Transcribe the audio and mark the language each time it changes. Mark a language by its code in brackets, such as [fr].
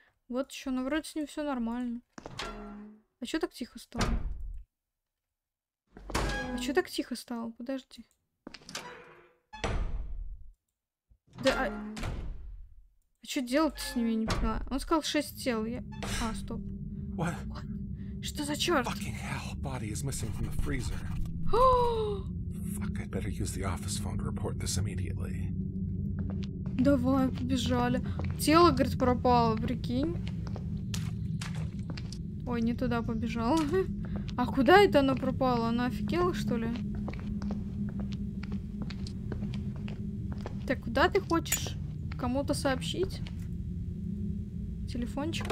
[ru] Вот еще, ну вроде с ним все нормально. А что так тихо стало? А что так тихо стало? Подожди. Да. А что делать с ними, я не поняла. Он сказал 6 тел. Я... А, стоп. [en] What? [ru] Что за черт? [en] Fucking hell, body is missing from the freezer. Fuck, I'd better use the office phone to report this immediately. [ru] Давай, побежали. Тело, говорит, пропало, прикинь. Ой, не туда побежала. А куда это она пропала? Она офигела, что ли? Так, куда ты хочешь? Кому-то сообщить? Телефончик?